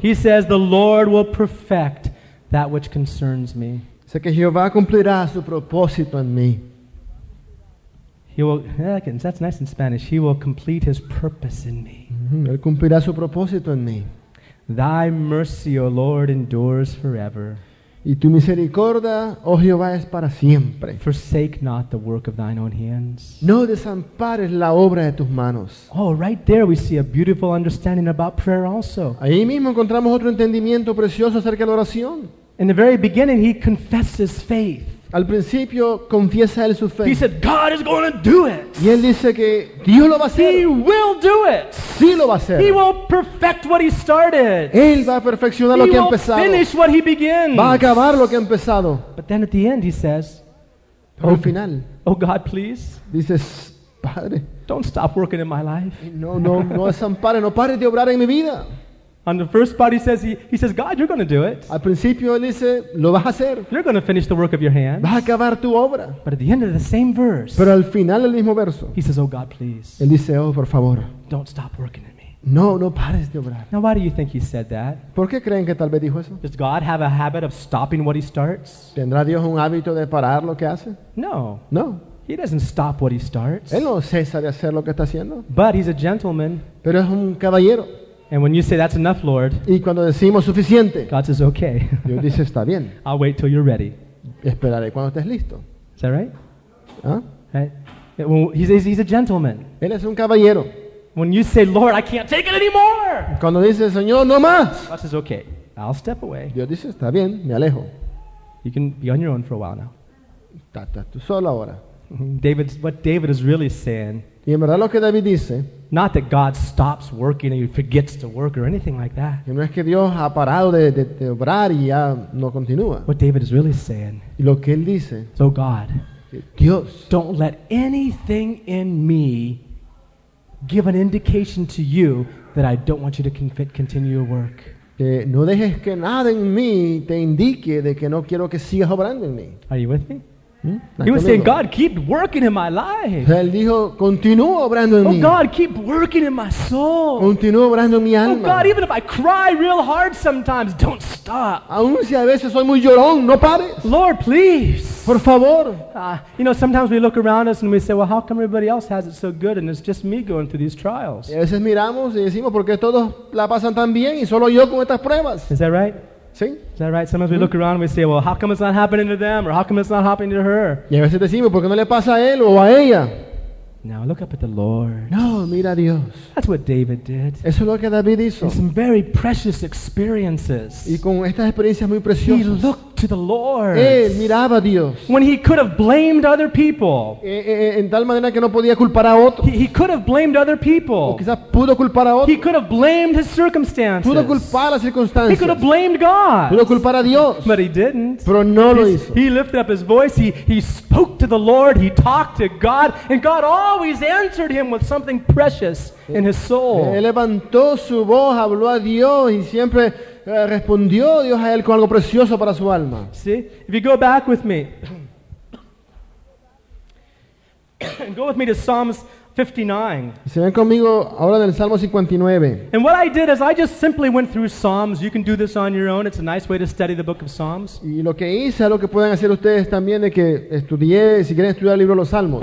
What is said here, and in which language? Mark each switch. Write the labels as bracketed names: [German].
[English] He says, the Lord will perfect that which concerns me. [Spanish] Sé que Jehová cumplirá su propósito en mí. [English] He will, that's nice in Spanish. He will complete His purpose in me. [Spanish] Mm-hmm. Él cumplirá su propósito en mí. [English] Thy mercy, O Lord, endures forever. [Spanish] Y tu misericordia, oh Jehová, es para siempre. [English] Forsake not the work of thine own hands. [Spanish] No desampares la obra de tus manos. [English] Oh, right there we see a beautiful understanding about prayer also. [Spanish] Ahí mismo encontramos otro entendimiento precioso acerca de la oración. [English] In the very beginning he confesses faith. [Spanish] Al principio confiesa él su fe. [English] He said, God is going to do it. [Spanish] Y él dice que Dios lo va a hacer. [English] He will do it. [Spanish] Sí lo va a hacer. [English] He will perfect what he started. [Spanish] Él va a perfeccionar [English] he [Spanish] lo que ha empezado. [English] Will finish what he begins. [Spanish] Va a acabar lo que ha empezado. [English] But then at the end he says, [Spanish] pero al final, [English] oh God, please. [Spanish] Dices, Padre, [English] don't stop working in my life. [Spanish] No desampare, no pare de obrar en mi vida. [English] On the first part he says, God, you're going to do it. [Spanish] Al principio él dice, lo vas a hacer. [English] You're going to finish the work of your hands. [Spanish] Vas a acabar tu obra. [English] But at the end of the same verse, [Spanish] pero al final del mismo verso, [English] he says, oh God, please. [Spanish] Él dice, oh, por favor. [English] Don't stop working in me. [Spanish] No pares de obrar. [English] Now why do you think he said that? [Spanish] ¿Por qué creen que tal vez dijo eso? [English] Does God have a habit of stopping what he starts? [Spanish] ¿Tendrá Dios un hábito de parar lo que hace? [English] No. [Spanish] No. [English] He doesn't stop what he starts. [Spanish] Él no cesa de hacer lo que está haciendo. [English] But he's a gentleman. [Spanish] Pero es un caballero. [English] And when you say that's enough, Lord, [Spanish] y cuando decimos suficiente, [English] God says okay. [Spanish] Dios dice está bien. [English] I'll wait till you're ready. [Spanish] Esperaré cuando estés listo. [English] Is that right? [Spanish] ¿Ah? [English] Right. Well, he's a gentleman. [Spanish] Él es un caballero. [English] When you say, Lord, I can't take it anymore. [Spanish] Cuando dice Señor no más. [English] God says okay. I'll step away. [Spanish] Dios dice está bien. Me alejo. [English] You can be on your own for a while now. [Spanish] Estás tú solo ahora. [English] What David is really saying. [Spanish] Y en verdad lo que David dice. [English] Not that God stops working and he forgets to work or anything like that. [Spanish] No es que Dios ha parado de obrar y ya no continúa. [English] What David is really saying. [Spanish] Y lo que él dice. [English] So God. [Spanish] Dios. [English] Don't let anything in me give an indication to you that I don't want you to continue your work. [Spanish] Que no dejes que nada en mí te indique de que no quiero que sigas obrando en mí. [English] Are you with me? He was saying, God, keep working in my life. [Spanish] Él dijo, continúa obrando en mí. [English] Oh, God, keep working in my soul. [Spanish] Continúa obrando en mi alma. [English] Oh, God, even if I cry real hard sometimes, don't stop. [Spanish] Aún si a veces soy muy llorón, no pares. [English] Lord, please. [Spanish] Por favor. [English] You know, sometimes we look around us and we say, well, how come everybody else has it so good and it's just me going through these trials? [Spanish] Y a veces miramos y decimos, ¿por qué todos la pasan tan bien y solo yo con estas pruebas? [English] Is that right? [Spanish] ¿Sí? [English] Is that right? Sometimes we look around and we say, well, how come it's not happening to them? Or how come it's not happening to her? [Spanish] Y a veces decimos, ¿por qué no le pasa a él o a ella? [English] Now look up at the Lord. [Spanish] No, mira a Dios. [English] That's what David did. [Spanish] Eso es lo que David hizo. [English] And some very precious experiences. [Spanish] Y con estas experiencias muy preciosas. [English] He looked to the Lord. [Spanish] Él miraba a Dios. [English] When he could have blamed other people. [Spanish] En tal manera que no podía culpar a otros. [English] He could have blamed other people. [Spanish] O quizás pudo culpar a otros. [English] He could have blamed his circumstances. [Spanish] Pudo culpar las circunstancias. [English] He could have blamed God. [Spanish] Pudo culpar a Dios. [English] But he didn't. [Spanish] Pero no lo hizo. [English] He lifted up his voice. He spoke to the Lord. He talked to God. And God always answered him with something precious in his soul. [Spanish] Él levantó su voz, habló a Dios y siempre respondió Dios a él con algo precioso para su alma. [English] See, if you go back with me, go with me to Psalms 59. [Spanish] Se ven conmigo ahora del Salmo 59. [English] And what I did is I just simply went through Psalms. You can do this on your own. It's a nice way to study the book of Psalms. [Spanish] Y lo que hice, lo que pueden hacer ustedes también es que estudié, si quieren estudiar el libro de los Salmos.